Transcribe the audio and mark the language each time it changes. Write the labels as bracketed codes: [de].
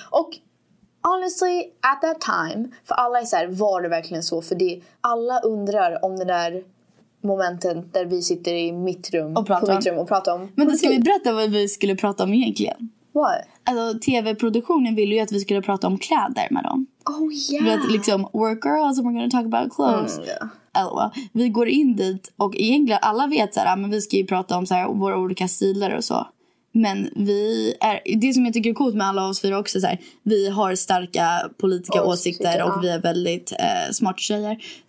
[sv] Och [en] honestly, at that time, [sv] för alla är så här, var det verkligen så? För det, alla undrar om det där momentet där vi sitter i mitt rum och pratar, på mitt rum och pratar om. Men då ska vi berätta vad vi skulle prata om egentligen. [en] What? [sv] Alltså, tv-produktionen ville ju att vi skulle prata om kläder med dem. [en] Oh yeah. [sv] Vi vet, liksom, [en] we're girls and we're gonna talk about clothes. Mm, yeah. [sv] Elva. Vi går in dit och egentligen alla vet så här, men vi ska ju prata om så här, våra olika stilar och så. Men vi är, det som jag tycker är coolt med alla oss fyra också så här, vi har starka politiska åsikter och vi är väldigt smart tjejer.